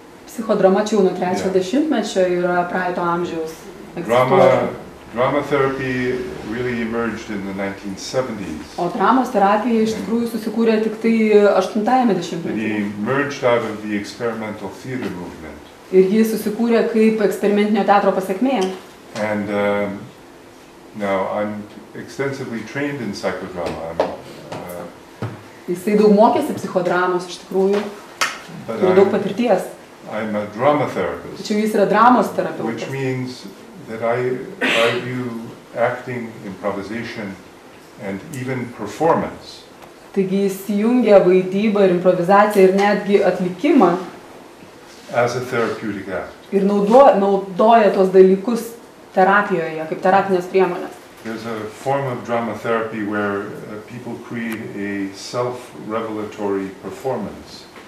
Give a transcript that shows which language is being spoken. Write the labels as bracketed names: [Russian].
[Lithuanian] Psichodrama čia nuo 3 dešimtmečio yra praeito amžiaus. [English] Drama therapy really emerged in the 1970s. [Lithuanian] O dramos terapija iš tikrųjų susikūrė tik tai 8 dešimtmetyje. [English] It emerged out of the experimental theater movement. [Lithuanian] Ir ji susikūrė kaip eksperimentinio teatro pasekmė. [English] And now I'm extensively trained in psychodrama. [Lithuanian] Jisai daug mokėsi psichodramos iš tikrųjų. Turi daug patirties. [English] I'm a drama therapist. [Lithuanian] Tačiau jis yra dramos terapeutas. [English] Which means that I view acting, improvisation and even performance. [Lithuanian] Taigi jis jungia vaidybą ir improvizaciją ir netgi atlikimą. [English] As a therapeutic act. [Lithuanian] Ir naudoja tuos dalykus terapijoje kaip terapinės priemonės. [English] There's a form of drama therapy where people create a self-revelatory performance.